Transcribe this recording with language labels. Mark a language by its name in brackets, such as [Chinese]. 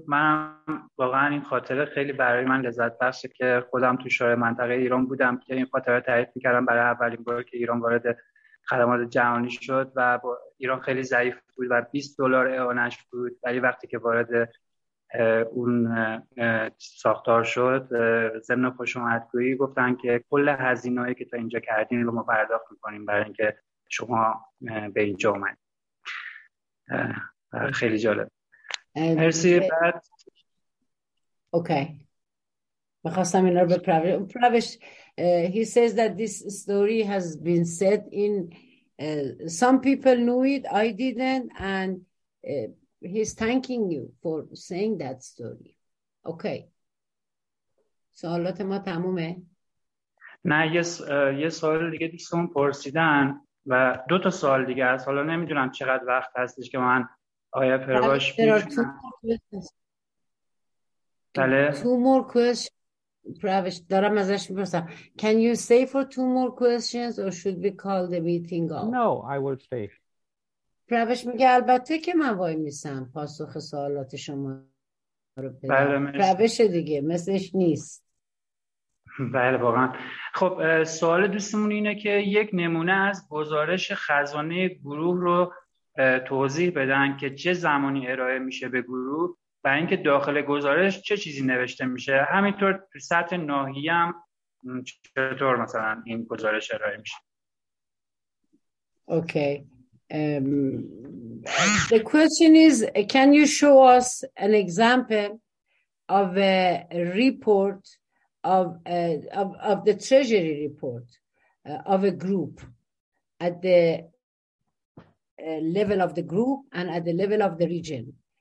[Persian] من واقعا این خاطره خیلی برای من لذت بخشه که خودم تو شورای منطقه ایران بودم که این خاطره تعریف میکردم برای اولین بار که ایران وارد خدمات جهانی شد و ایران خیلی ضعیف بود و 20 دلار اعانش بود، ولی وقتی که وارد اون ساختار شد ضمن خوشامدگویی گفتن که کل هزینه‌ای که تا اینجا کردین رو ما پرداخت میکنیم برای اینکه شما به اینجا اومدید. خیلی جالب. مرسی. بعد اوکی می‌خواستم اینا رو بپرسم. [English] پرویش he says that this story has been said in some people knew it, I didn't, and he's thanking you for saying that story. [Persian] Okay. سوالات ما تمومه؟ نه، یه سوال دیگه دوستان پرسیدن و دو تا سوال دیگه هست. حالا نمیدونم چقدر وقت هستش که من آیا پرواش بیشنم. بله. [English] Two more questions. [Persian] پرویش دارم ازش میپرسم. [English] Can you stay for two more questions or should we call the meeting off? No, I will stay. [Persian] پرویش میگه البته که من وای میسم پاسخ سوالات شما رو پیدا. بله مرسی. پرویش دیگه مثلش نیست. بله واقعا. خب سوال دوستمون اینه که یک نمونه از گزارش خزانه گروه رو توضیح بدن که چه زمانی ارائه میشه به گروه و اینکه داخل گزارش چه چیزی نوشته میشه. همینطور تو سطح ناحیه هم چطور مثلا این گزارش ارائه میشه. اوکی. [English] The question is, can you show us an example of a report of the treasury report of a group at the level of the group and at the level of the region?